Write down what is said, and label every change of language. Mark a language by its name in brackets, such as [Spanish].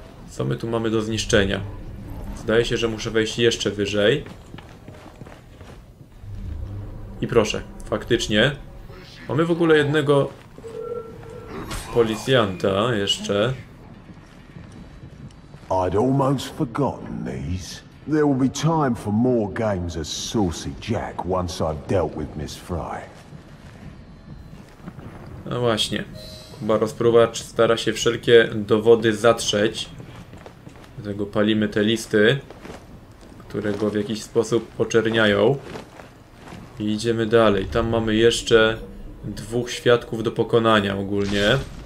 [Polish] Co my tu mamy do zniszczenia? Zdaje się, że muszę wejść jeszcze wyżej. I proszę, faktycznie. Mamy w ogóle jednego policjanta jeszcze. [English] I'd almost forgotten these. There will be time for more games of Saucy Jack once I've dealt with Miss Fry. [Polish] No właśnie. Kuba Rozpruwacz stara się wszelkie dowody zatrzeć. Dlatego palimy te listy, które go w jakiś sposób poczerniają. I idziemy dalej. Tam mamy jeszcze dwóch świadków do pokonania ogólnie.